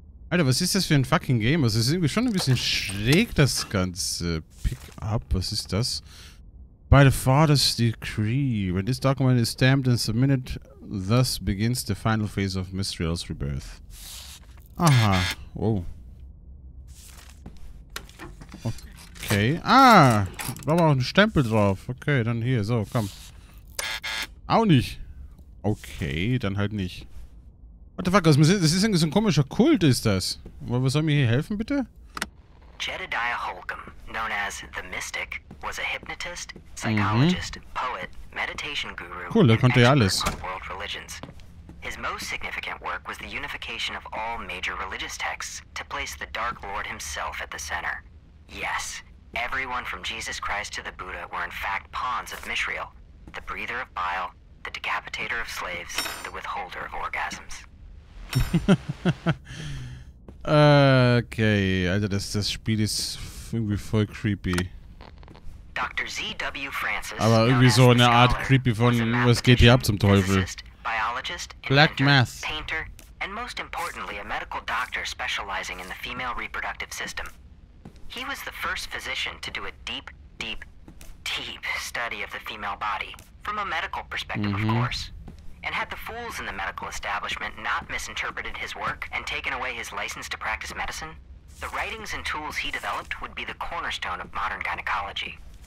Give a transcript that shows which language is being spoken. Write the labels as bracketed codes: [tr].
[de] Alter, was ist das für ein fucking Game? Also es ist irgendwie schon ein bisschen schräg, das ganze Pick-up. Was ist das? [en] By the father's decree, when this document is stamped and submitted, thus begins the final phase of Mistral's rebirth. Aha. Whoa. Okay. Ah! [de] Da war auch ein Stempel drauf. Okay, dann hier. So, komm. Auch nicht. Okay, dann halt nicht. [en] What the fuck, [de] das ist so ein komischer Kult, ist das? Was soll mir hier helfen, bitte? [en] Jedediah Holcomb, known as the Mystic, was a hypnotist, psychologist, poet, meditation guru. [de] Cool, da konnte er alles. [en] World religions. His most significant work was the unification of all major religious texts to place the Dark Lord himself at the center. Yes, everyone from Jesus Christ to the Buddha were in fact pawns of Mishriel, the breather of bile, the decapitator of slaves, the withholder of orgasms. [de] Okay, Alter, das Spiel ist irgendwie voll creepy. [en] Dr. Z.W. Francis, [de] aber irgendwie so eine Art creepy von was geht hier ab zum Teufel? [en] Biologist, Black Math, painter, and most importantly, a medical doctor specializing in the female reproductive system. He was the first physician to do a deep, deep, deep study of the female body, from a medical perspective, of course. And had the fools in the medical establishment not misinterpreted his work and taken away his license to practice medicine, the writings and tools he developed would be the cornerstone of modern gynecology.